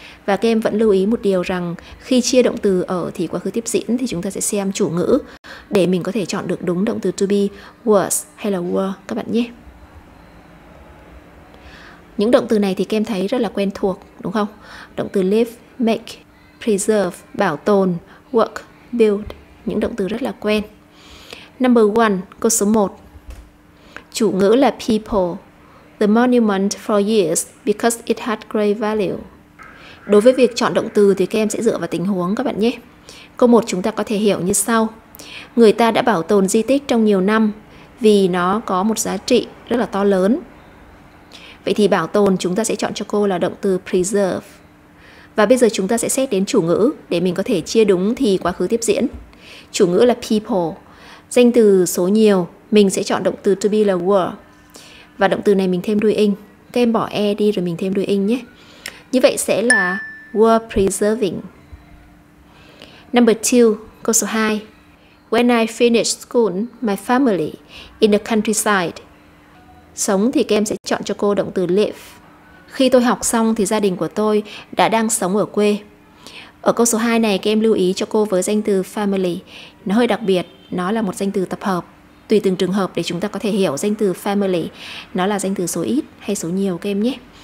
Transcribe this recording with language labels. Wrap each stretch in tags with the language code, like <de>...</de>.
<vi>Và các em vẫn lưu ý một điều rằng khi chia động từ ở thì quá khứ tiếp diễn thì chúng ta sẽ xem chủ ngữ để mình có thể chọn được đúng động từ to be, was hay là were các bạn nhé. Những động từ này thì các em thấy rất là quen thuộc, đúng không? Động từ live, make, preserve, bảo tồn, work, build. Những động từ rất là quen.</vi> <en>Number 1,</en> <vi>câu số 1. Chủ ngữ là people.</vi> <en>The monument for years because it had great value.</en> <vi>Đối với việc chọn động từ thì các em sẽ dựa vào tình huống các bạn nhé. Câu 1 chúng ta có thể hiểu như sau. Người ta đã bảo tồn di tích trong nhiều năm vì nó có một giá trị rất là to lớn. Vậy thì bảo tồn chúng ta sẽ chọn cho cô là động từ preserve. Và bây giờ chúng ta sẽ xét đến chủ ngữ để mình có thể chia đúng thì quá khứ tiếp diễn. Chủ ngữ là people. Danh từ số nhiều, mình sẽ chọn động từ to be là were. Và động từ này mình thêm đuôi ing. Các em bỏ e đi rồi mình thêm đuôi ing nhé. Như vậy sẽ là</vi> <en>were preserving. Number 2,</en> <vi>câu số 2.</vi> <en>When I finished school, my family in the countryside.</en> <vi>Sống thì các em sẽ chọn cho cô động từ live. Khi tôi học xong thì gia đình của tôi đã đang sống ở quê. Ở câu số 2 này các em lưu ý cho cô với danh từ family. Nó hơi đặc biệt, nó là một danh từ tập hợp. Tùy từng trường hợp để chúng ta có thể hiểu danh từ family. Nó là danh từ số ít hay số nhiều các em nhé.</vi>